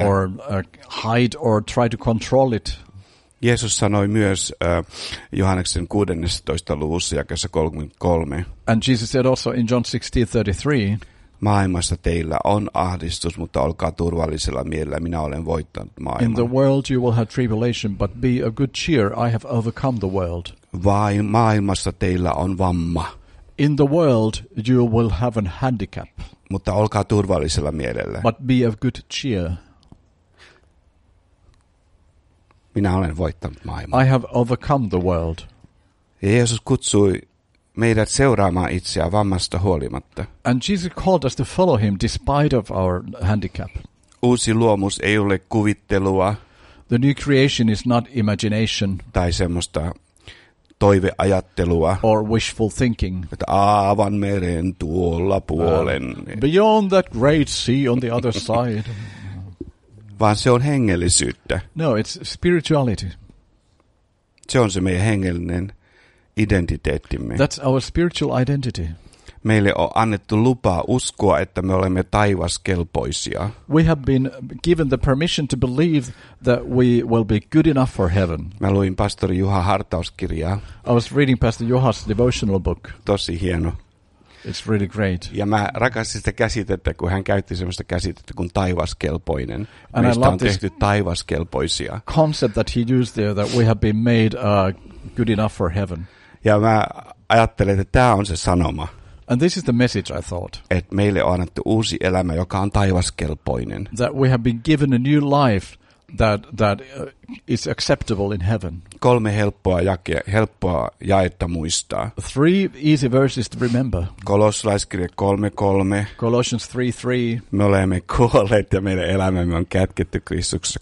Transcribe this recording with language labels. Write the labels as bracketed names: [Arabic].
[English] Or hide or try to control it. [Finnish] Jeesus sanoi myös Johanneksen 16. luvussa jakeessa 33. [English] And Jesus said also in John 16:33. [Finnish] Maailmassa teillä on ahdistus, mutta olkaa turvallisella mielellä, minä olen voittanut maailman. [English] In the world you will have tribulation, but be of good cheer, I have overcome the world. [Finnish] Vai maailmassa teillä on vamma. [English] In the world you will have a handicap. [Finnish] Mutta olkaa turvallisella mielellä. [English] But be of good cheer. [Finnish] Minä olen voittanut maailman. [English] I have overcome the world. [Finnish] Ja Jeesus kutsui meidät seuraamaan itseä vammasta huolimatta. [English] And Jesus called us to follow him despite of our handicap. [Finnish] Uusi luomus ei ole kuvittelua. [English] The new creation is not imagination. [Finnish] Tai semmoista toiveajattelua. [English] Or wishful thinking. [Finnish] Että aavan meren tuolla puolen. [English] Beyond that great sea on the other side. [Finnish] Vaan se on hengellisyyttä. [English] No, it's spirituality. [Finnish] Se on se meidän hengellinen identiteettimme. [English] That's our spiritual identity. [Finnish] Meille on annettu lupa uskoa, että me olemme taivaskelpoisia. [English] We have been given the permission to believe that we will be good enough for heaven. [Finnish] Mä luin pastori Juha Hartauskirjaa. [English] I was reading Pastor Juha's devotional book. [Finnish] Tosi hieno. [English] It's really great. [Finnish] Ja mä rakastin sitä käsitettä, kun hän käytti semmoista käsitettä kuin taivaskelpoinen. [English] And [Finnish] meistä on tehty taivaskelpoisia. [English] Concept that he used there, that we have been made good enough for heaven. [Finnish] Ja mä ajattelin, että tämä on se sanoma. [English] And this is the message I thought. [Finnish] Et meille on annettu uusi elämä, joka on taivaskelpoinen. [English] That we have been given a new life that is acceptable in heaven. [Finnish] Kolme helppoa jaetta muistaa. [English] Three easy verses to remember. [Finnish] Kolossalaiskirja 3:3. [English] Colossians 3:3. [Finnish] Me olemme kuolleet ja meidän elämämme on kätketty Kristuksessa.